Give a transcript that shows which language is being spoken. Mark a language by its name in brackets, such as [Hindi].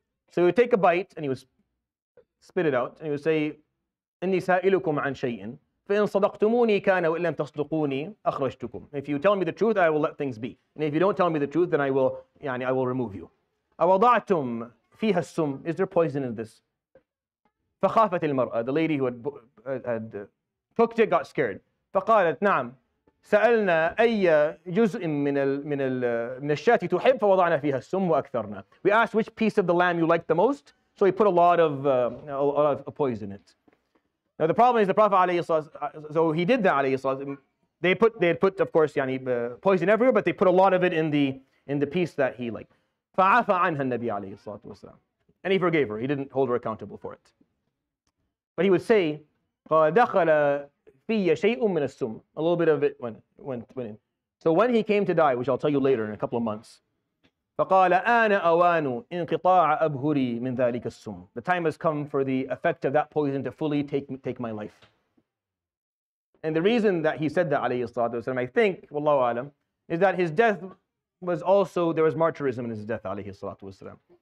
[English] So he would take a bite and he would spit it out and he would say, [Arabic] إِنِّي سَائِلُكُمْ عَنْ شَيْءٍ فَإِنْ صَدَقْتُمُونِي كَانَ وَإِنْ لَمْ تَصْدُقُونِي أَخْرَجْتُكُمْ. [English] If you tell me the truth, I will let things be. And if you don't tell me the truth, then I will remove you. [Arabic] أَوَضَعْتُمْ فيها السم. [English] Is there poison in this? [Arabic] فخافت المرأة. [English] The lady who had cooked it got scared. [Arabic] فقالت نعم. سألنا أي جزء من الشاة تحب فوضعنا فيها السم وأكثرنا. [English] We asked which piece of the lamb you liked the most. So he put a lot of poison in it. Now the problem is the Prophet عليه الصلاة والسلام, so he did that عليه الصلاة والسلام. They had put of course poison everywhere, but they put a lot of it in the piece that he liked. [Arabic] فعفى عنها النبي عليه الصلاة والسلام. [English] And he forgave her. He didn't hold her accountable for it. But he would say, [Arabic] قَالَ دَخَلَ فِيَّ شَيْءٌ مِّنَ السُّمْ. [English] A little bit of it went in. So when he came to die, which I'll tell you later in a couple of months, [Arabic] فَقَالَ أَنَا أَوَانُ إِنْقِطَاعَ أَبْهُرِي مِنْ ذَلِكَ السُّمْ. [English] The time has come for the effect of that poison to fully take my life. And the reason that he said that, عليه الصلاة والسلام, I think, [Arabic] والله أعلم, [English] is that his death was also, there was martyrism in his death, alayhi salatu wasalam.